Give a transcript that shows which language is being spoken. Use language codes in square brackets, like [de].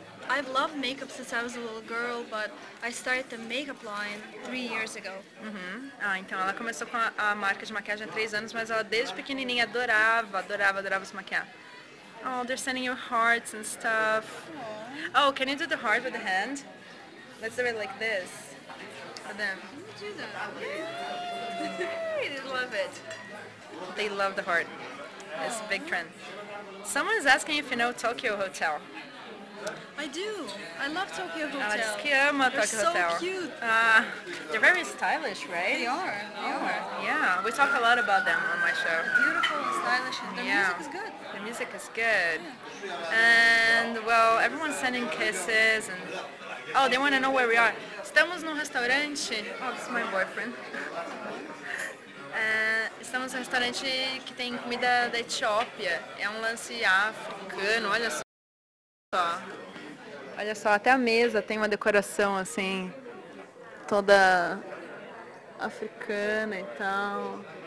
[en] I've loved makeup since I was a little girl, but I started the makeup line 3 years ago. [pt] Ah, então ela começou com a marca de maquiagem há 3 anos, mas ela desde pequenininha adorava se maquiar. [en] Oh, they're sending you hearts and stuff. Aww. Oh, can you do the heart with the hand? Let's do it like this. For them. Can you do that? They love it. They love the heart. Aww. It's a big trend. Someone's asking if you know Tokyo Hotel. I do. I love Tokyo Hotel. [pt] Ela diz que ama Tokyo Hotel. [en] They're so cute. They're very stylish, right? They are. Yeah, we talk a lot about them on my show. Beautiful, stylish, and the music is good. Yeah. And, well, everyone's sending kisses. And oh, they want to know where we are. [pt] Estamos num restaurante. [en] Oh, this is my boyfriend. [pt] Estamos num restaurante que tem comida da Etiópia. É lance africano, olha só. Olha só, até a mesa tem uma decoração assim, toda africana e tal.